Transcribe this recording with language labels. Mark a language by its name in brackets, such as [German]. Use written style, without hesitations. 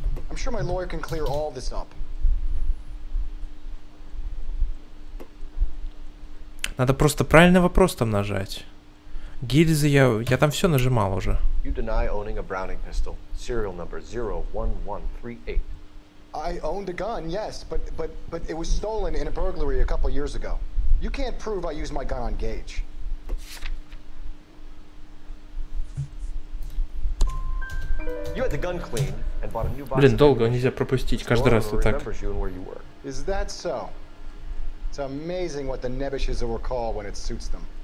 [English] I'm sure my lawyer can clear all this up. [Russian] Надо просто правильный вопрос там нажать. Гильзы я там все нажимал уже. [English] You deny owning a Browning pistol. Serial number 01138. I owned a gun, yes, but it was stolen in a burglary a couple years ago. You can't prove I used my gun on Gage. You had the gun cleaned and bought a new box. [Russian] Блин, долго, нельзя пропустить каждый раз вот так. [English] Is that so? It's amazing what the nebbishes will recall when it suits them.